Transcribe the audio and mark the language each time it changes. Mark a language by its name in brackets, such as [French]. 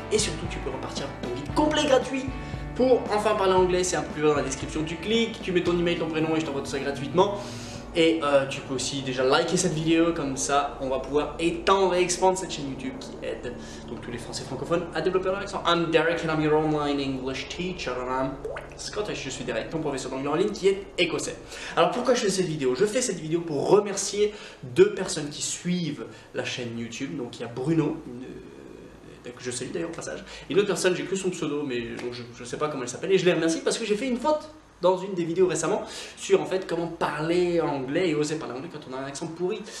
[French] Et surtout, tu peux repartir ton guide complet gratuit pour enfin parler anglais. C'est un peu plus loin dans la description. Tu cliques, tu mets ton email, ton prénom et je t'envoie tout ça gratuitement. Et tu peux aussi déjà liker cette vidéo, comme ça on va pouvoir étendre et expandre cette chaîne YouTube qui aide donc tous les Français francophones à développer leur accent. [English] I'm Derek and I'm your online English teacher and I'm Scottish. [French] Je suis Derek, ton professeur d'anglais en ligne qui est écossais. Alors pourquoi je fais cette vidéo? Je fais cette vidéo pour remercier deux personnes qui suivent la chaîne YouTube. Donc il y a Bruno, que je salue d'ailleurs au passage, et une autre personne, j'ai que son pseudo, mais donc je ne sais pas comment elle s'appelle, et je les remercie parce que j'ai fait une faute dans une des vidéos récemment sur en fait comment parler anglais et oser parler anglais quand on a un accent pourri.